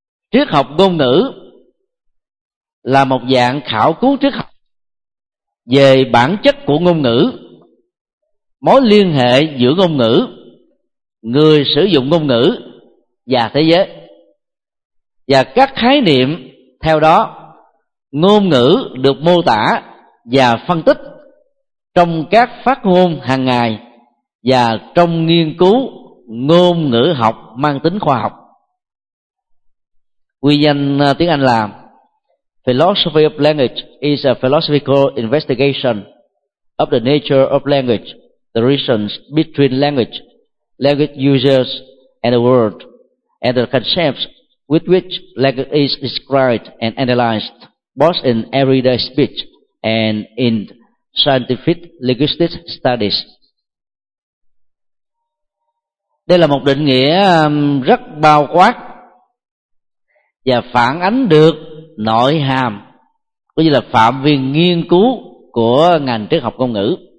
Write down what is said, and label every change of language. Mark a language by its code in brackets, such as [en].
[vi] Triết học ngôn ngữ là một dạng khảo cứu triết học về bản chất của ngôn ngữ, mối liên hệ giữa ngôn ngữ, người sử dụng ngôn ngữ và thế giới, và các khái niệm theo đó. Ngôn ngữ được mô tả và phân tích trong các phát ngôn hàng ngày và trong nghiên cứu ngôn ngữ học mang tính khoa học. Quy danh tiếng Anh là [en] Philosophy of language is a philosophical investigation of the nature of language, the relations between language, language users and the world, and the concepts with which language is described and analyzed, both in everyday speech and in scientific linguistic studies. [vi] Đây là một định nghĩa rất bao quát và phản ánh được nội hàm cũng như là phạm vi nghiên cứu của ngành triết học ngôn ngữ.